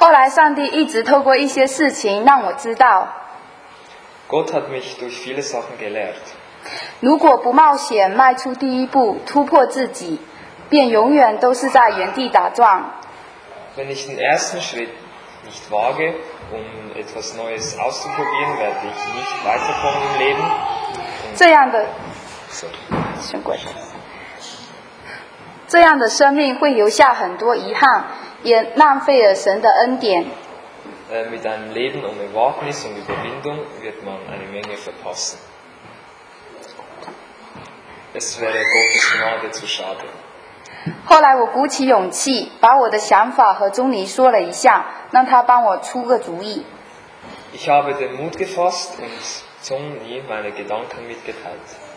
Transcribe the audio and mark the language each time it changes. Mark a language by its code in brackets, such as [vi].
[zh] 后来上帝一直透过一些事情让我知道。 [de] Gott hat mich durch viele Sachen gelehrt. [zh] 如果不冒险迈出第一步突破自己，便永远都是在原地打转。 [de] Wenn ich den ersten Schritt nicht wage, um etwas Neues auszuprobieren, werde ich nicht weiterkommen im Leben. Mit einem Leben ohne Wagnis und Überwindung wird man eine Menge verpassen. Es wäre Gottes Gnade zu schade. [zh] 后来我鼓起勇气，把我的想法和钟离说了一下，让他帮我出个主意。 [de] Ich habe den Mut gefasst und Zungli meine Gedanken mitgeteilt.